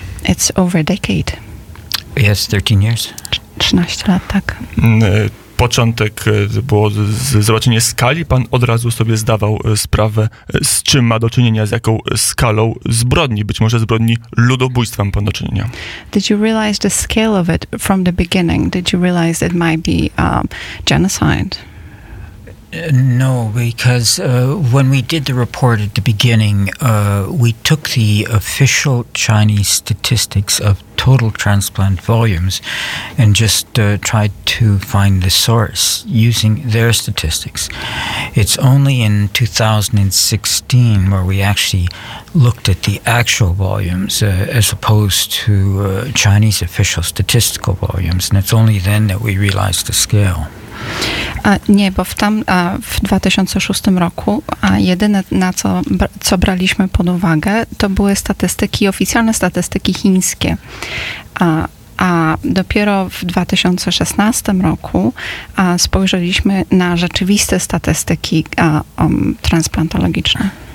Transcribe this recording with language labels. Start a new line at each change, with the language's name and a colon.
English: It's over a decade. Yes, 13 years.
Polish: 13 lat, tak. Początek było zobaczenie skali. Pan od razu sobie zdawał sprawę, z czym ma do czynienia, z jaką skalą zbrodni, być może zbrodni ludobójstwa ma pan do czynienia.
English: Did you realize the scale of it from the beginning? Did you realize it might be genocide? No, because when we did the report at the beginning, we took the official Chinese statistics of total transplant volumes and just tried to find the source using their statistics. It's only in 2016 where we actually looked at the actual volumes as opposed to Chinese official statistical volumes, and it's only then that we realized the scale.
Polish: Nie, bo w 2006 roku jedyne, na co braliśmy pod uwagę, to były statystyki, oficjalne statystyki chińskie. A dopiero w 2016 roku spojrzeliśmy na rzeczywiste statystyki transplantologiczne.